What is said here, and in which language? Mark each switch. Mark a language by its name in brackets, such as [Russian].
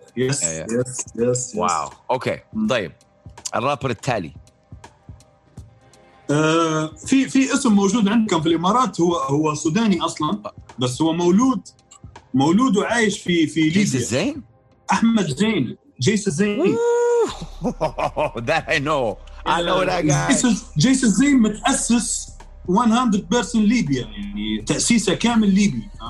[English] yes yes yes [Arabic] واو أوكي طيب الرابر التالي في اسم موجود عندكم في الإمارات هو سوداني أصلا بس هو مولود وعايش في ليبيا جيس زين أحمد زين جيس زين [English] that I know I know that guy [Arabic] جيس زين متأسس 100% ليبيا يعني تأسيسه كامل ليبي